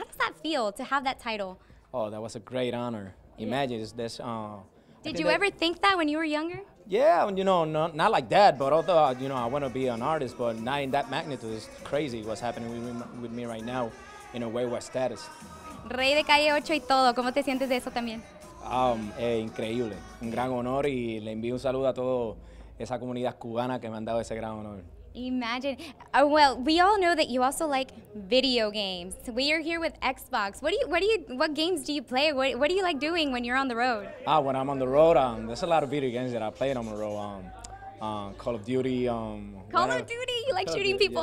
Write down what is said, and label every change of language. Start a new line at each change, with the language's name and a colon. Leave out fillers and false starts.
English: How does that feel to have that title? Oh, that was a great honor. Imagine, yeah. This. Did you ever think that when you were younger? Yeah, you know, not like that, but although, you know, I want to be an artist, but not in that magnitude. It's crazy what's happening with me right now in a way where status.
Spanish: Rey de Calle 8 y todo, ¿cómo te sientes de eso también? Increíble, un gran honor y le envío un saludo a toda esa comunidad cubana que me han dado ese gran honor.
English: Imagine. Well, we all know that you also like video games. We are here with Xbox. What games do you play? What do you like doing when you're on the road? When I'm on the road, there's a lot of video games that I play on the road. Call of Duty. Call of Duty? You like shooting people,